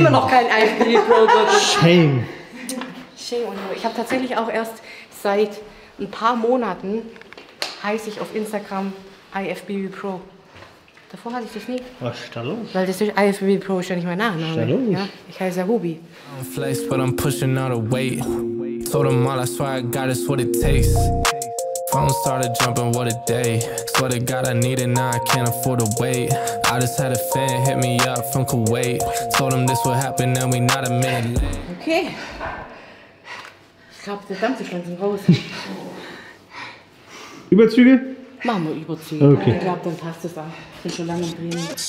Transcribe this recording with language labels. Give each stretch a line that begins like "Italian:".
German: Immer noch kein IFBB-Pro-Gürtel.
English: Shame. Shame.
German: Ich habe tatsächlich auch erst seit ein paar Monaten heiße ich auf Instagram IFBB-Pro. Davor hatte ich das nie. Was ist da los? Weil das ist IFBB-Pro, ist ja nicht mein Nachname. Was ist da los? Ja, ich heiße ja Hubi.
English: I'm flexed, but I'm pushing out of weight. Told them all I swear I got it's what it takes. Phone started jumping, what a day. Swear to God I need it, now I can't afford to wait. I just had a fan hit me up from Kuwait. Told him this would happen and we not a minute late. Okay.
German: Ich glaube, der Dampf ist langsam raus. Überzüge? Machen wir Überzüge. Okay. Ich glaube, dann passt es auch. Ich bin schon lange im Training.